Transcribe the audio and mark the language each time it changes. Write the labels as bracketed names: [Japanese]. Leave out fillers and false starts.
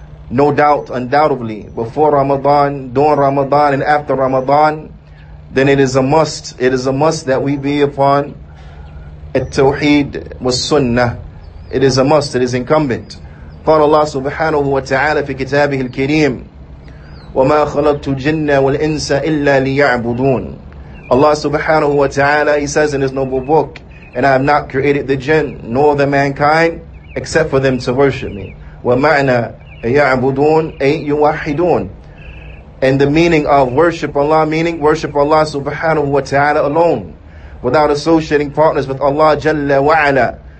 [English] No doubt, undoubtedly, before Ramadan, during Ramadan, and after Ramadan, then it is a must that we be upon at-tawheed wa sunnah. It is a must, it is incumbent. [Arabic] قال الله سبحانه وتعالى في كتابه الكريم وما خلقت الجن والإنس إلا ليعبدون. [English] Allah subhanahu wa ta'ala, he says in his noble book, and I have not created the jinn nor the mankind except for them to worship me. [Arabic] ومعنى يعبدون أي يوحدون. [English] And the meaning of worship Allah, meaning worship Allah subhanahu wa ta'ala alone, without associating partners with Allah jalla wa ala.